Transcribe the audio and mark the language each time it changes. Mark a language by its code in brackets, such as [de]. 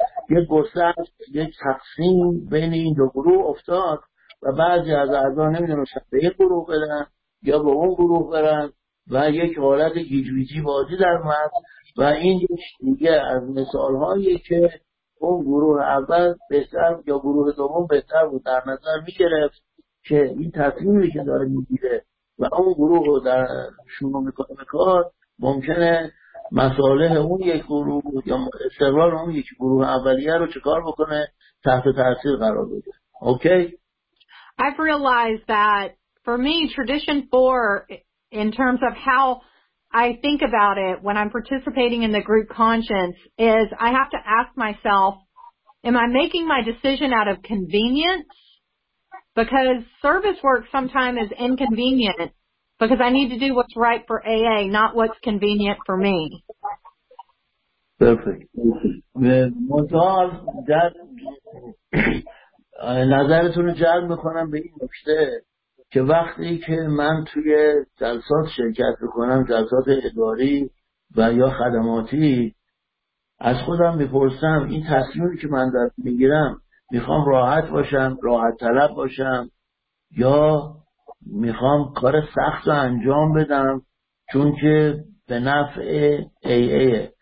[fa] یه گسست، یک تقسیم بین این دو گروه افتاد و بعضی از اعضا نمیدونستن به یه گروه بدن یا به اون گروه برن و یک حالت گیجویجی بازی در اومد و این دیگه از مثالهایی که اون گروه اول بهتر یا گروه دوم بهتر بود در نظر میگرفت که این تصمیمی که داره میگیره و اون گروه رو در شروع میکنه کار ممکنه مصالح اون یک گروه یا استقلال اون یک گروه اولیه رو چکار بکنه تحت تاثیر قرار بده. اوکی؟ [en] I've realized that for me tradition 4 in terms of how I think about it when I'm participating in the group conscience is I have to ask myself, am I making my decision out of convenience? Because service work sometimes is inconvenient because I need to do what's right for AA, not what's convenient for me. Perfect. [fa] که وقتی که من توی جلسات شرکت بکنم، جلسات اداری و یا خدماتی، از خودم میپرسم این تصمیمی که من دارم میگیرم میخوام راحت باشم، راحت طلب باشم یا میخوام کار سخت رو انجام بدم چون که به نفع AA.